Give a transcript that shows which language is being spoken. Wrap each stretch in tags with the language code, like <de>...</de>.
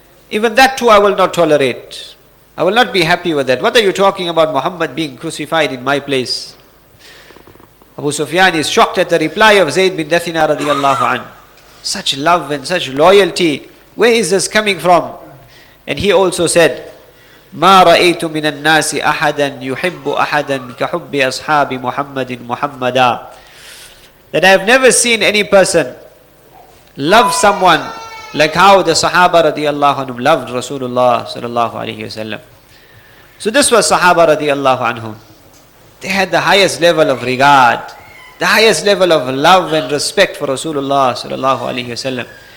<en>Even that too I will not tolerate. I will not be happy with that. What are you talking about, Muhammad being crucified in my place? Abu Sufyan is shocked at the reply of Zayd bin Dathina radiallahu anhu. Such love and such loyalty. Where is this coming from?</en> <ar>And he also said, مَا رَأَيْتُ مِنَ النَّاسِ أَحَدًا يُحِبُّ أَحَدًا كَحُبِّ أَصْحَابِ مُحَمَّدٍ مُحَمَّدًا.</ar> <en>That I have never seen any person love someone like how the Sahaba radiallahu anhum loved Rasulullah sallallahu alayhi wa sallam. So this was Sahaba radiallahu anhum. They had the highest level of regard, the highest level of love and respect for Rasulullah sallallahu alayhi wa sallam.</en>